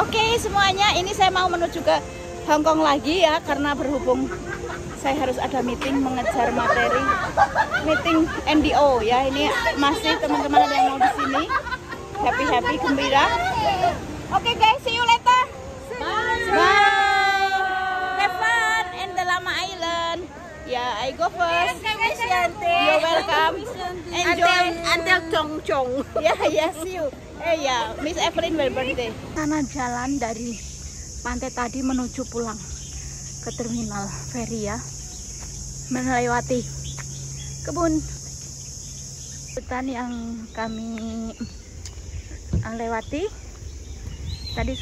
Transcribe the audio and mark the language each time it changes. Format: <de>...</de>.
<id>Oke, semuanya ini saya mau menuju ke Hong Kong lagi ya, karena berhubung saya harus ada meeting mengejar materi meeting NDO ya. Ini masih teman-teman ada yang mau di sini</id> <en>happy happy</en> <id>gembira.</id> <en>Oke okay, guys, see you later. Bye. Bye. Bye. Have fun in the Lama Island. Ya, yeah, I go first. You're welcome. Enjoy until Chong Chong. Yeah, yes, see you. Hey, yeah, Miss Evelyn, happy birthday.</en> <id>Karena jalan dari pantai tadi menuju pulang ke terminal ferry ya, melewati kebun hutan yang kami lewati tadi.</id>